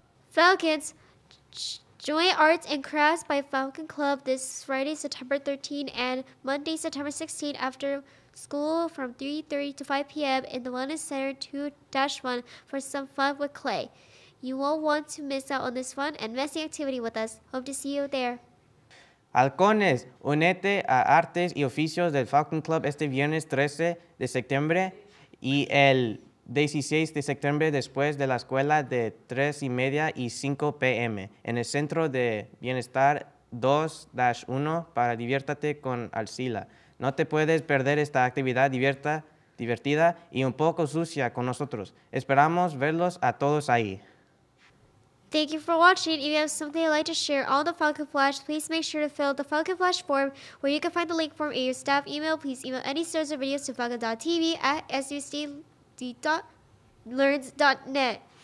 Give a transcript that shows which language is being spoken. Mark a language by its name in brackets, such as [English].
[English] Falcons, join Arts and Crafts by Falcon Club this Friday, September 13th and Monday, September 16th after school from 3:30 to 5 p.m. in the Wellness Center 2-1 for some fun with clay. You won't want to miss out on this fun and messy activity with us. Hope to see you there. [Spanish] Halcones, únete a Artes y Oficios del Falcon Club este viernes 13 de septiembre y el 16 de septiembre después de la escuela de 3:30 y 5 p.m. en el Centro de Bienestar 2-1 para diviértate con Arcila. No te puedes perder esta actividad divertida y un poco sucia con nosotros. Esperamos verlos a todos ahí. [English] Thank you for watching. If you have something you'd like to share on the Falcon Flash, please make sure to fill the Falcon Flash form where you can find the link form in your staff email. Please email any stories or videos to falcon.tv@sucd.learns.net.